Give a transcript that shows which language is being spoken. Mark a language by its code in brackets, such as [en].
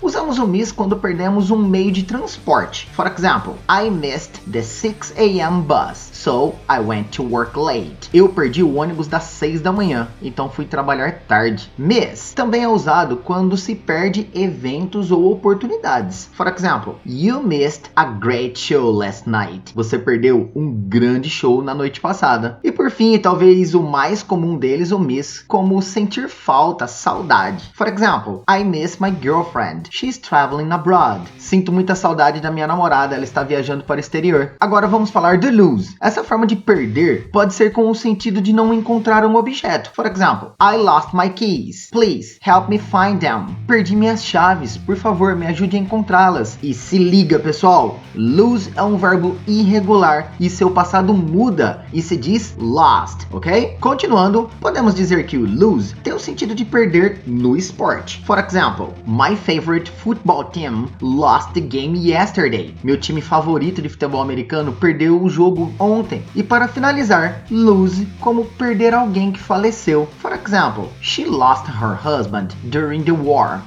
[pt] Usamos o miss quando perdemos um meio de transporte. [en] For example, I missed the 6 a.m. bus, so I went to work late. [pt] Eu perdi o ônibus das 6 da manhã, então fui trabalhar tarde. Miss. Também é usado quando se perde eventos ou oportunidades. [en] For example, you missed a great show last night. [pt] Você perdeu um grande show na noite passada. E por fim, e talvez o mais comum deles, o miss, como sentir falta, saudade. [en] For example, I miss my girlfriend. She's traveling abroad. [pt] Sinto muita saudade da minha namorada, ela está viajando para o exterior. Agora vamos falar de lose. Essa forma de perder pode ser com o sentido de não encontrar um objeto. [en] For example, I lost my keys. Please help me find them. [pt] Perdi minhas chaves, por favor, me ajude a encontrá-las. E se liga, pessoal, lose é um verbo irregular e seu passado muda e se diz lost, ok? Continuando, podemos dizer que o lose tem o sentido de perder no esporte. [en] For example, my favorite football team lost the game yesterday. [pt] Meu time favorito de futebol americano perdeu o jogo ontem. E para finalizar, lose como perder alguém que faleceu. [en] For example, she lost her husband during the war.